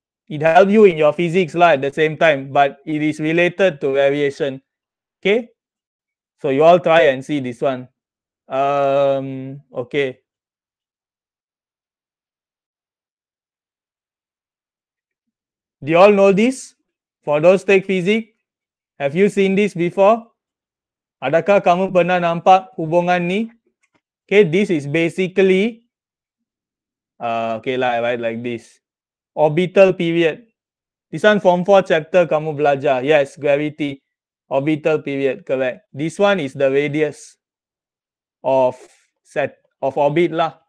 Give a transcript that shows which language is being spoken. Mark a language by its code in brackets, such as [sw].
[en] It helped you in your physics lah at the same time, but it is related to variation. Okay? So, you all try and see this one. Okay. Do you all know this? For those take physics, have you seen this before? [ms] Adakah kamu pernah nampak hubungan ni? [en] Okay, this is basically, okay lah, I write like this. Orbital period. This one form 4 chapter [ms] kamu belajar. [en] Yes, gravity. Orbital period, correct. This one is the radius of set of orbit lah.